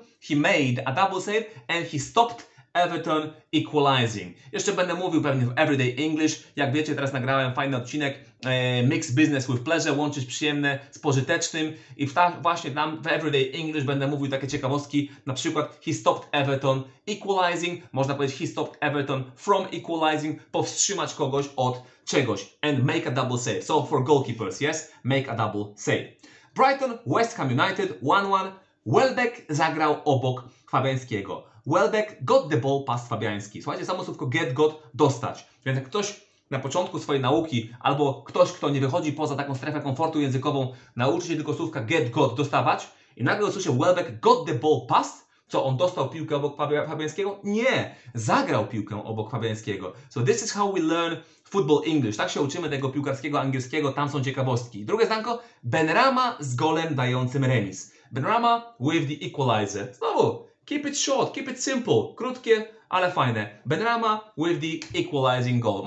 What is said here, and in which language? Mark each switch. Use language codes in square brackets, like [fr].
[en] He made a double save and he stopped Everton equalizing. [pl] Jeszcze będę mówił pewnie w Everyday English. Jak wiecie, teraz nagrałem fajny odcinek Mix Business with Pleasure, łączyć przyjemne z pożytecznym. I właśnie tam w Everyday English będę mówił takie ciekawostki, na przykład [en] he stopped Everton equalizing. [pl] Można powiedzieć [en] he stopped Everton from equalizing, [pl] powstrzymać kogoś od czegoś. [en] And make a double save. So for goalkeepers, yes, make a double save. Brighton, West Ham United, 1-1. [pl] Welbeck zagrał obok Fabiańskiego. [en] Welbeck got the ball past Fabiański. [pl] Słuchajcie, samo słówko get, got, dostać. Więc jak ktoś na początku swojej nauki, albo ktoś, kto nie wychodzi poza taką strefę komfortu językową, nauczy się tylko słówka get, got, dostawać i nagle usłyszy [en] Welbeck got the ball past, [pl] co on dostał piłkę obok Fabiańskiego? Nie! Zagrał piłkę obok Fabiańskiego. [en] So this is how we learn football English. [pl] Tak się uczymy tego piłkarskiego angielskiego, tam są ciekawostki. Drugie zdanko, Benrahma z golem dającym remis. [en] Benrahma with the equalizer. [pl] Znowu! [en] Keep it short, keep it simple. [pl] Krótkie, ale fajne. [en] Benrahma with the equalizing goal.